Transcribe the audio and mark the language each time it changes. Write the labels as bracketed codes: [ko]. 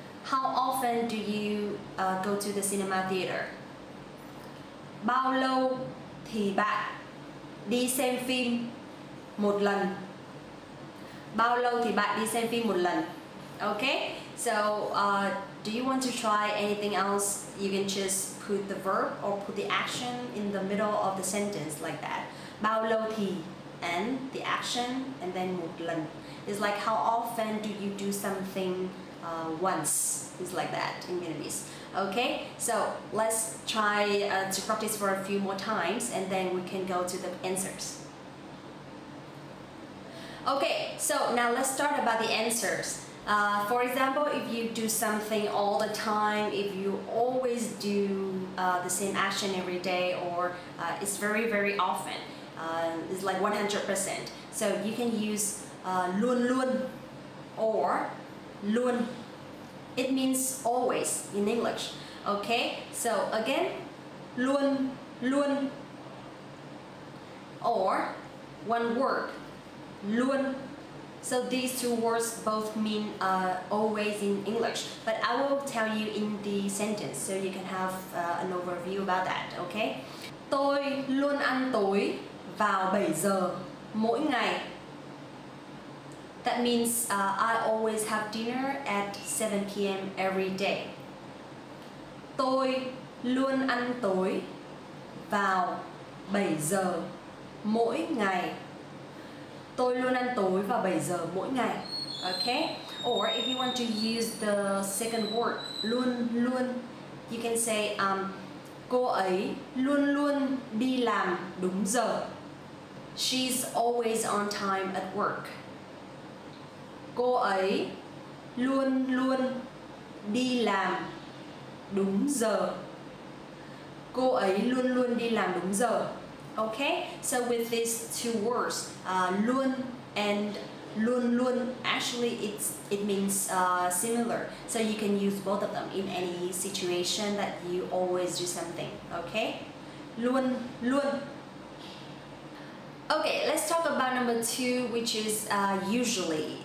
[en] How often do you go to the cinema theater? [vi] Bao lâu thì bạn đi xem phim một lần? Bao lâu thì bạn đi xem phim một lần? [en] Okay? So, do you want to try anything else? You can just put the verb or put the action in the middle of the sentence like that. [vi] Bao lâu thì, [en] and the action, and then [vi] một lần. [en] It's like how often do you do something once? It's like that in Vietnamese. Okay, so let's try to practice for a few more times and then we can go to the answers. Okay, so now let's start about the answers. For example, if you do something all the time, if you always do the same action every day, or it's very, very often, it's like 100%. So you can use luôn luôn or luôn. It means always in English. Okay, so again, luôn luôn or one word, luôn. So these two words both mean always in English, but I will tell you in the sentence so you can have an overview about that, okay? [vi] Tôi luôn ăn tối vào 7 giờ mỗi ngày. [en] That means I always have dinner at 7 p.m. every day. [vi] Tôi luôn ăn tối vào 7 giờ mỗi ngày. Tôi luôn ăn tối vào 7 giờ mỗi ngày. [en] Okay? Or if you want to use the second word, luôn luôn, you can say [vi] cô ấy luôn luôn đi làm đúng giờ. [en] She's always on time at work. [vi] Cô ấy luôn luôn đi làm đúng giờ. Cô ấy luôn luôn đi làm đúng giờ. [en] Okay, so with these two words, luôn and luôn luôn, actually it means similar. So you can use both of them in any situation that you always do something, okay? Luôn luôn. Okay, let's talk about number two, which is usually.